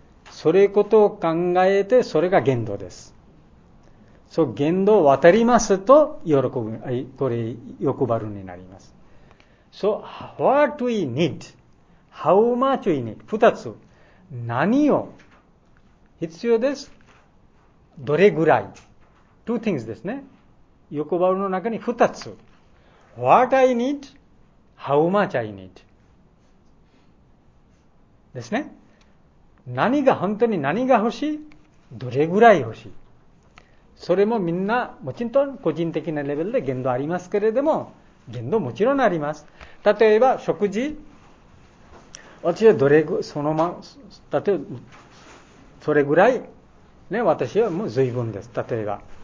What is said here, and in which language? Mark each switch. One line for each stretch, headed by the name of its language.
Japanese: それことを考えて、それが限度です。そう、限度を渡りますと、欲張るになります。
English: So, what we need? How much we need? 二つ。
Japanese: 何を必要です？どれぐらい？
English: Two things
Japanese: ですね。欲望の中に二つ。
English: What I need, how much I need。
Japanese: ですね。何が本当に何が欲しい、どれぐらい欲しい。それもみんな、もちろん個人的なレベルで限度ありますけれども、限度もちろんあります。例えば食事、私はどれぐらい、そのまま、例えば、それぐらい、ね、私はもう随分です。例えば。